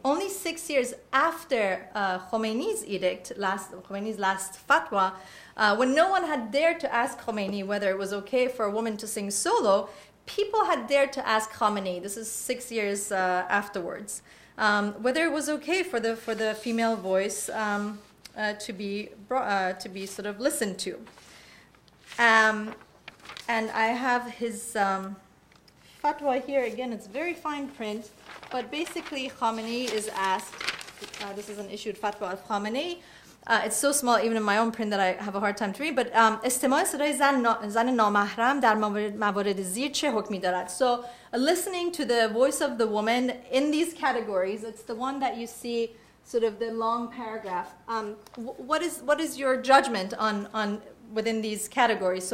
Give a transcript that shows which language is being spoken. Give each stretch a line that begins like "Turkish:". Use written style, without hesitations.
English: Only 6 years after Khomeini's last fatwa, when no one had dared to ask Khomeini whether it was okay for a woman to sing solo, people had dared to ask Khamenei, this is 6 years afterwards, whether it was okay for the female voice to be sort of listened to. And I have his fatwa here. Again, it's very fine print. But basically, Khamenei is asked, this is an issued fatwa of Khamenei. It's so small, even in my own print, that I have a hard time to read. But
Persian: استماع صدای زن نامحرم در موارد زیر چه حکمی دارد?
English: So listening to the voice of the woman in these categories, it's the one that you see sort of the long paragraph. What is your judgment on within these categories?